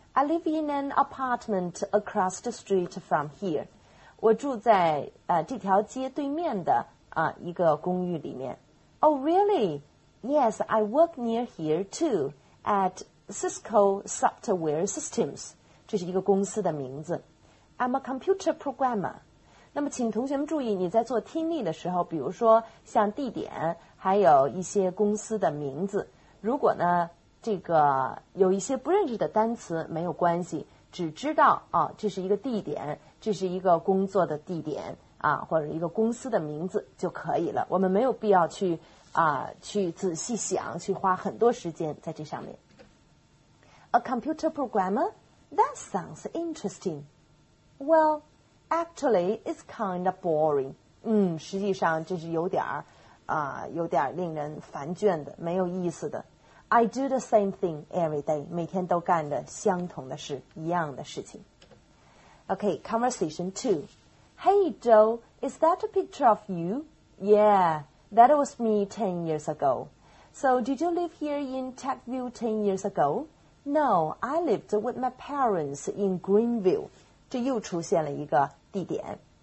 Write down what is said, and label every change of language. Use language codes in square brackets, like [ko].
[en] I live in an apartment across the street from here. [zh] 我住在这条街对面的一个公寓里面。 [en] Oh, really? Yes, I work near here too, at Cisco Software Systems. [zh] 这是一个公司的名字。 [en] I'm a computer programmer. [zh] 那么请同学们注意，你在做听力的时候，比如说像地点，还有一些公司的名字，如果呢这个有一些不认识的单词没有关系，只知道啊这是一个地点，这是一个工作的地点啊，或者一个公司的名字就可以了，我们没有必要去去仔细想，去花很多时间在这上面。 [en] A computer programmer? That sounds interesting. Well, actually it's kind of boring. [zh] 实际上这是有点有点令人烦倦的，没有意思的。 [en] I do the same thing every day. [zh] 每天都干着相同的事，一样的事情。 [en] Okay, conversation two. Hey, Joe, is that a picture of you? Yeah, that was me 10 years ago. So did you live here in Techville 10 years ago? No, I lived with my parents in Greenville. [zh] 这又出现了一个地点。